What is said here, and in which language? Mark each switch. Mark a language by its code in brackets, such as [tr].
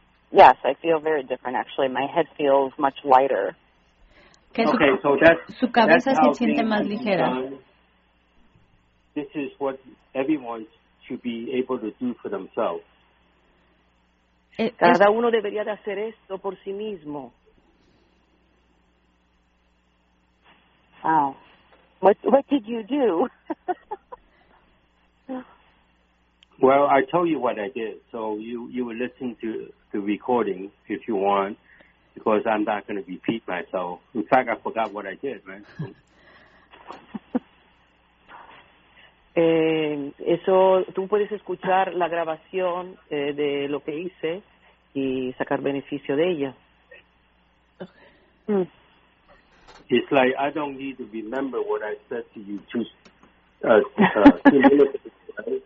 [en] Yes, I feel very different, actually. My head feels much lighter. Okay, so [es] su cabeza se siente más ligera. [en] This is what everyone should be able to do for themselves. [es] Cada uno debería de hacer esto por sí mismo. [en] Wow. What did you do? Well, I told you what I did, so you will listen to the recording if you want, because I'm not going to repeat myself. In fact, I forgot what I did, right? [es] eso, tú puedes escuchar la grabación de lo que hice y sacar beneficio de ella. [en] Okay. It's like I don't need to remember what I said to you two minutes ago.